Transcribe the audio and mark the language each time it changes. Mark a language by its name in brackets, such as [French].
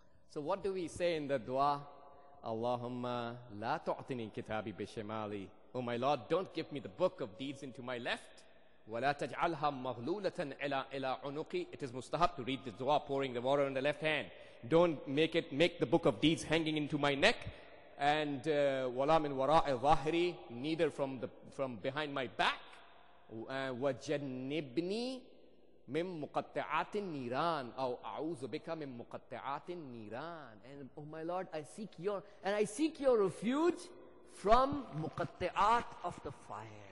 [English] So what do we say in the dua? [Arabic] Allahumma la tu'atini kitabi bishimali. [English] Oh my Lord, don't give me the book of deeds into my left. [Arabic] وَلَا تَجْعَلْهَا مَغْلُولَةً إِلَىٰ عُنُقِي. [English] It is mustahab to read the dua pouring the water on the left hand. Don't make the book of deeds hanging into my neck. And [Arabic] وَلَا مِنْ وَرَاءِ ظَاهِرِي. [English] Neither from behind my back. وَجَنِّبْنِي [Arabic] من مقطعات النيران او اعوذ بك من مقطعات النيران. [English] And oh my Lord, I seek your and I seek your refuge from مقطعات of the fire.